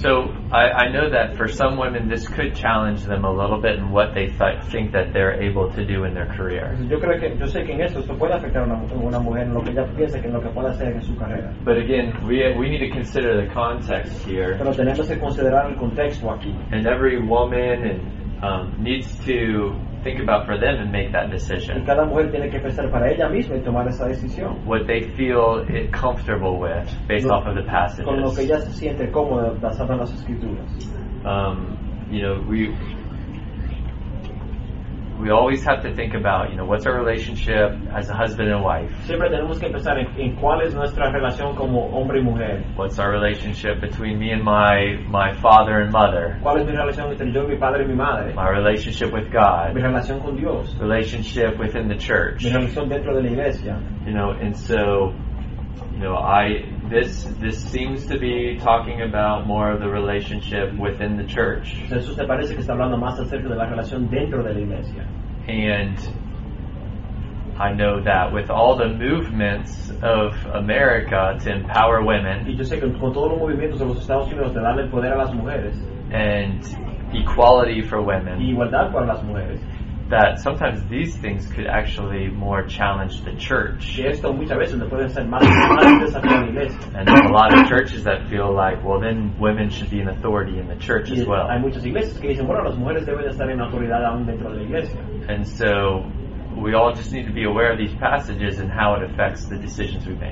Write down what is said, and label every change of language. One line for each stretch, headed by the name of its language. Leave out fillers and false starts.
English: So I know that for some women this could challenge them a little bit in what they think that they're able to do in their career. But again, we need to consider the context here.
Spanish: Pero tenemos que considerar el contexto aquí.
English: And every woman and, needs to think about for them and make that decision.
Spanish: Y cada mujer tiene que pensar para ella misma y tomar esa decisión.
English: What they feel it comfortable with, based off of the passages.
Spanish: Con lo que ella se siente cómoda basada en las escrituras.
English: You know, we always have to think about, you know, what's our relationship as a husband and wife.
Spanish: Siempre tenemos que pensar en cuál es nuestra relación como hombre y mujer.
English: What's our relationship between me and my father and mother?
Spanish: ¿Cuál es mi relación entre yo, mi padre y mi madre?
English: My relationship with God.
Spanish: Mi relación con Dios.
English: Relationship within the church.
Spanish: Mi relación dentro de la iglesia.
English: You know, and so, you know, this seems to be talking about more of the relationship within the church.
Spanish: Jesús, ¿te parece que está hablando más acerca de la relación dentro de la iglesia?
English: And I know that with all the movements of America to empower women.
Spanish: Y yo sé que con todos los movimientos de los Estados Unidos de darle poder a las mujeres.
English: And equality for women.
Spanish: Y igualdad para las mujeres.
English: That sometimes these things could actually more challenge the church. And there's a lot of churches that feel like, well, then women should be an authority in the church as well. And so we all just need to be aware of these passages and how it affects the decisions we make.